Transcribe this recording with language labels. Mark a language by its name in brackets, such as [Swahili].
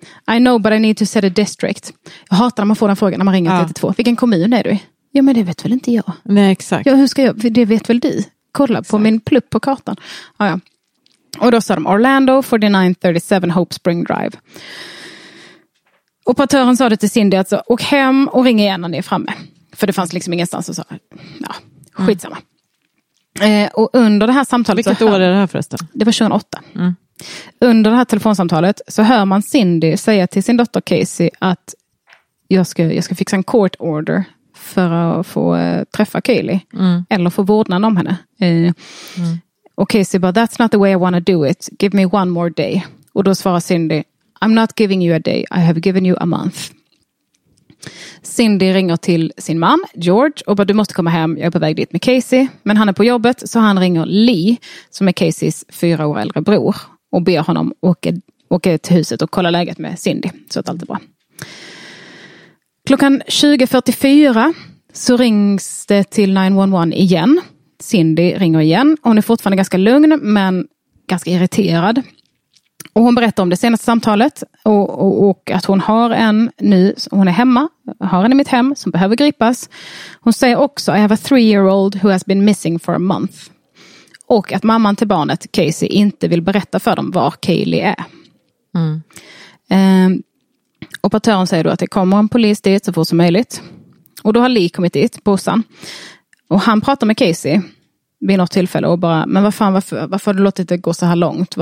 [English] I know, but I need to set a district. [Swedish] Jag hatar när man får den frågan när man ringer 112. Vilken kommun är du? Ja, men det vet väl inte jag. Nej, exakt. Ja, hur ska jag? Det vet väl du? Kolla på min plupp på kartan. Ja. Och då sa de Orlando 4937 Hope Spring Drive. Operatören sa det till Cindy, alltså, åk hem och ring igen när ni är framme. För det fanns liksom ingenstans och sa, ja, skitsamma. Och under det här samtalet... Vilket år är det här förresten? Det var 2008. Mm. Under det här telefonsamtalet så hör man Cindy säga till sin dotter Casey att jag ska fixa en court order för att få träffa Kaylee. Mm. Eller få vårdnad om henne. Och Casey bara, [English] that's not the way I want to do it. Give me one more day. [Swedish] Och då svarar Cindy, [English] I'm not giving you a day. I have given you a month. [Swedish] Cindy ringer till sin man, George, och bara, du måste komma hem. Jag är på väg dit med Casey. Men han är på jobbet, så han ringer Lee, som är Caseys 4 år äldre bror, och ber honom åka till huset och kolla läget med Cindy. Så att allt är bra. Klockan 20:44 så rings det till 911 igen. Cindy ringer igen. Hon är fortfarande ganska lugn, men ganska irriterad. Och hon berättar om det senaste samtalet och att hon har en ny, hon är hemma, har en i mitt hem som behöver gripas. Hon säger också, [English] I have a 3-year-old who has been missing for a month. [Swedish] Och att mamman till barnet, Casey, inte vill berätta för dem var Kaylee är. Mm. Operatören säger då att det kommer en polis dit så fort som möjligt. Och då har Lee kommit dit, bossan. Och han pratar med Casey vid något tillfälle och bara, men varför har du låtit det gå så här långt?